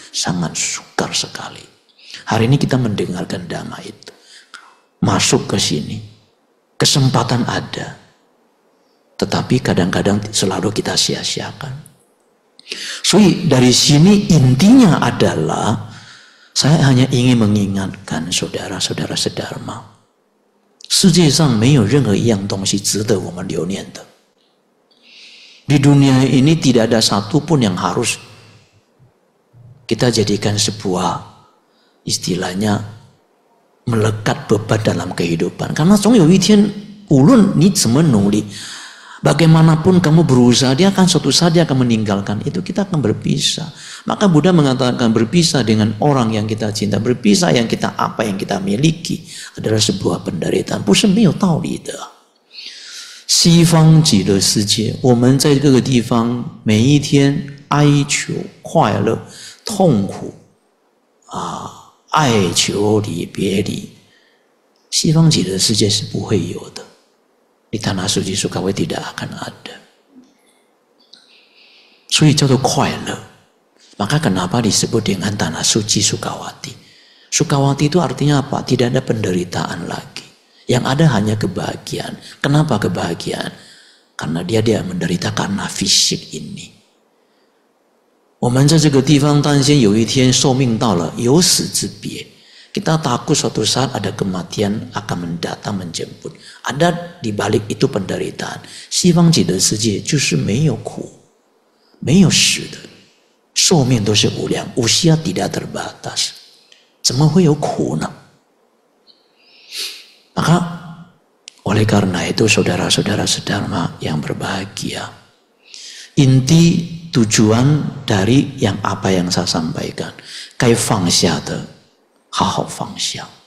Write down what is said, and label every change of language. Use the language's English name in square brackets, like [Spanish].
[Indonesian] Sangat sukar sekali. Hari ini kita mendengarkan dhamma itu. Masuk ke sini. Kesempatan ada. Tetapi kadang-kadang selalu kita sia-siakan. Jadi dari sini intinya adalah saya hanya ingin mengingatkan saudara-saudara sedharma. [Chinese] 世界上没有任何一样东西值得我们留念的。 [Indonesian] Di dunia ini tidak ada satu pun yang harus kita jadikan sebuah istilahnya melekat beban dalam kehidupan. Karena [Chinese] 总有一天，无论你怎么努力， [Indonesian] bagaimanapun kamu berusaha， dia akan suatu saat dia akan meninggalkan itu， kita akan berpisah。 Maka Buddha mengatakan berpisah dengan orang yang kita cinta, berpisah yang kita apa yang kita miliki adalah sebuah penderitaan. [Chinese] 不是没有道理的。西方极乐世界，我们在各个地方每一天哀求快乐、痛苦啊，哀求离别离。西方极乐世界是不会有的， [Indonesian] di tanah suci Sukawati tidak akan ada。 [Chinese] 所以叫做快乐。 [Indonesian] Maka kenapa disebut dengan tanah suci Sukawati? Sukawati itu artinya apa? Tidak ada penderitaan lagi. Yang ada hanya kebahagiaan. Kenapa kebahagiaan? karena dia menderita karena fisik ini. 我们在这个地方担心有一天寿命到了有死之别， kita takut suatu saat ada kematian akan mendatang menjemput. Ada di balik itu penderitaan. [Chinese] 西方极乐世界就是没有苦，没有死的，寿命都是无量， [Indonesian] usia tidak terbatas. [Chinese] 怎么会有苦呢？ [Indonesian] Maka oleh karena itu saudara-saudara sedharma yang berbahagia, inti tujuan dari yang apa yang saya sampaikan, kaifangsyata, hao fangsya.